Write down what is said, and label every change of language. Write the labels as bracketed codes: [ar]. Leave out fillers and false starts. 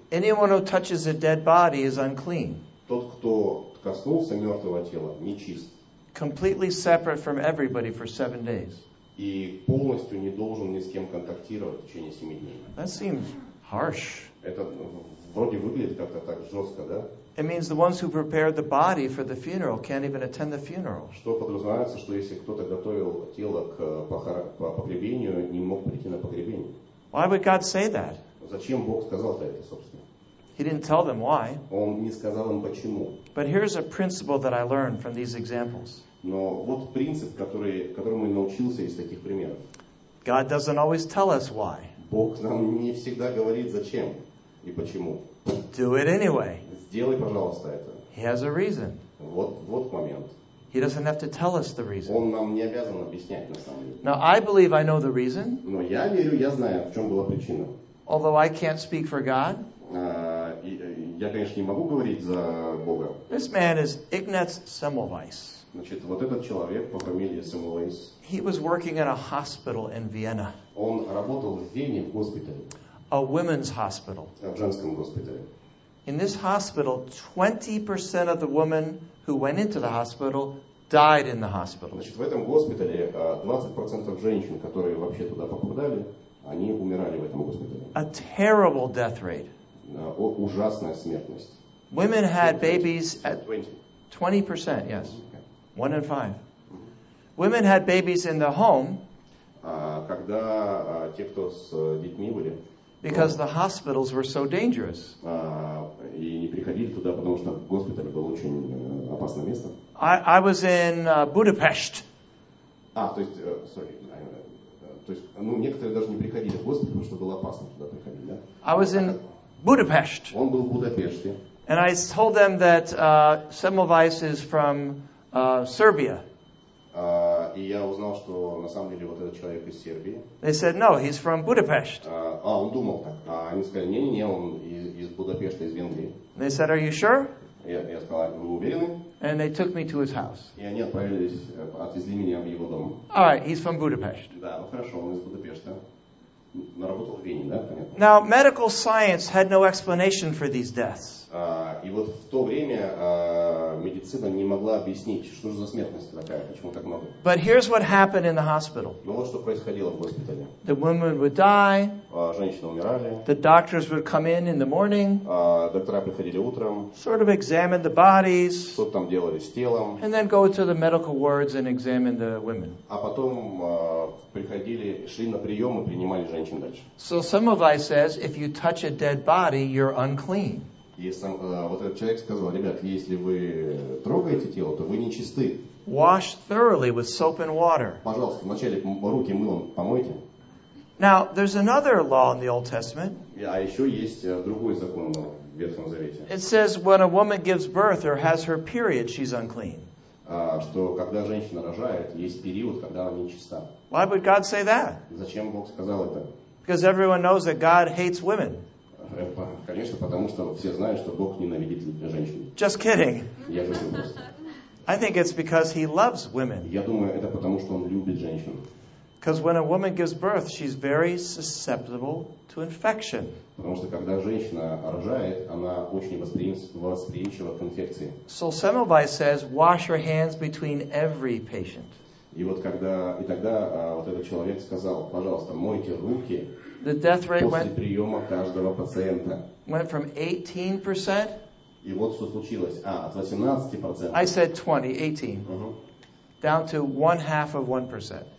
[en] anyone who touches a dead body is unclean. [ru] Тот, кто коснулся мертвого тела, нечист. [en] Completely separate from everybody for 7 days. [ru] И полностью не должен ни с кем контактировать в течение 7 дней. [en] That seems harsh. [ru] Это вроде выглядит как-то так жестко, да? [en] It means the ones who prepared the body for the funeral can't even attend the funeral. [ru] Что подразумевается, что если кто-то готовил тело к погребению, не мог прийти на погребение? [en] Why would God say that? [ru] Зачем Бог сказал-то это, собственно? [en] He didn't tell them why. [ru] Он не сказал им почему. [en] But here's a principle that I learned from these examples. [ru] Но вот принцип, которому я научился из таких примеров. [en] God doesn't always tell us why. [ru] Бог нам не всегда говорит зачем и почему. [en] Do it anyway. [ru] Сделай, пожалуйста, это. [en] He has a reason. [ru] Вот момент. [en] He doesn't have to tell us the reason. [ru] Он нам не обязан объяснять, на самом деле. [en] Now I believe I know the reason. [ru] Но я верю, я знаю, в чем была причина. [en] Although I can't speak for God. [ru] Я, конечно, не могу говорить за Бога. [en] This man is Ignaz Semmelweis. [ru] Значит, вот этот человек по фамилии Semmelweis. [en] He was working in a hospital in Vienna. [ru] Он работал в Вене в госпитале. [en] A women's hospital. [ru] В женском госпитале. [en] In this hospital, 20% of the women who went into the hospital died in the hospital. [ru] Значит, в этом госпитале 20% женщин, которые вообще туда попадали, они умирали в этом госпитале. [en] A terrible death rate. [ru] Ужасная смертность. [en] Women had babies at 20%, yes. One in five. Women had babies in the home. [ru] Когда те, кто с детьми были. [en] Because the hospitals were so dangerous. [ru] И не приходили туда, потому что госпиталь был очень опасным местом. [en] I was in Budapest. [ru] То есть, некоторые даже не приходили в госпиталь, потому что было опасно туда приходить, да? [en] I was in Budapest. [ru] Он был в Будапеште. [en] And I told them that Semmelweis is from Serbia. [ru] И я узнал, что на самом деле вот этот человек из Сербии. [en] They said, no, he's from Budapest. [ru] Он думал так. А они сказали, не, он из Будапешта, из Венгрии. [en] They said, are you sure? [ru] Я сказал, вы уверены? [en] And they took me to his house. [ru] И они отвезли меня в его дом. [en] All right, he's from Budapest. [ru] Да, ну хорошо, он из Будапешта. На работу в Вене, да, понятно. [en] Now, medical science had no explanation for these deaths. [ru] И вот в то время медицина не могла объяснить, что же за смертность такая, почему так много. [en] But here's what happened in the hospital. [ru] Ну вот что происходило в госпитале. [en] The women would die. [ru] Женщины умирали. [en] The doctors would come in the morning. [ru] Доктора приходили утром. [en] Sort of examine the bodies. [ru] Что-то там делали с телом. [en] And then go to the medical wards and examine the women. [ru] А потом приходили, шли на прием и принимали женщин. [en] So Semmelweis says, if you touch a dead body, you're unclean. [ru] Вот этот человек сказал, ребят, если вы трогаете тело, то вы нечисты. [en] Wash thoroughly with soap and water. [ru] Пожалуйста, вначале руки мылом помойте. [en] Now, there's another law in the Old Testament. [ru] А еще есть другой закон в Ветхом Завете. [en] It says, when a woman gives birth or has her period, she's unclean. [ru] Что когда женщина рожает, есть период, когда она нечиста. [en] Why would God say that? [ru] Зачем Бог сказал это? [en] Because everyone knows that God hates women. [ru] Конечно, потому что все знают, что Бог ненавидит женщин. [en] Just kidding. [ru] Я же просто. [en] I think it's because he loves women. [ru] Я думаю, это потому, что он любит женщин. [en] Because when a woman gives birth, she's very susceptible to infection. [ru] Потому что когда женщина рожает, она очень восприимчива к инфекции. [en] So Semmelweis says, wash your hands between every patient. [ru] И вот когда и тогда вот этот человек сказал, пожалуйста, мойте руки [en] the death rate [ru] после приема каждого пациента. [en] Went from 18%. [ru] И вот что случилось. А, от 18%. [en] I said 20, 18. Uh-huh. Down to 0.5%.